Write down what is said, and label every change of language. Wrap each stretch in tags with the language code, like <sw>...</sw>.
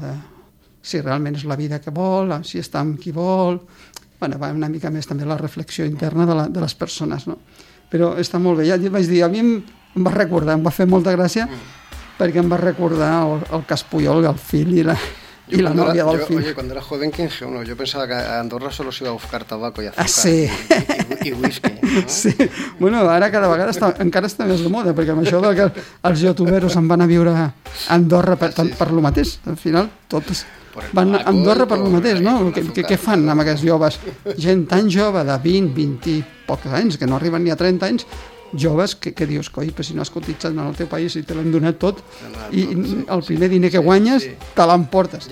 <ca>De si realment és la vida que vol, si està amb qui vol. Bueno, va una mica més també la reflexió interna de les persones, no? Però està molt bé. Ja et vaig dir, a mi em va recordar, em va fer molta gràcia, perquè em va recordar el cas Puyol, el fill i la nòvia del fill.</ca> <es>Oye, cuando era joven, que ingenuo, yo pensaba que a Andorra solo se iba a buscar tabaco y azúcar. Ah, sí.</es> <ca>I whisky, no? Sí. Bueno, ara cada vegada encara està més de moda, perquè amb això que els youtuberos en van a viure a Andorra per lo mateix, al final tots van a Andorra per lo mateix, no? Què fan amb aquests joves? Gent tan jove, de 20, 20 i pocs anys, que no arriben ni a 30 anys, joves que dius, coi, però si no has cotitzat en el teu país i te l'hem donat tot, i el primer diner que guanyes te l'emportes.</ca>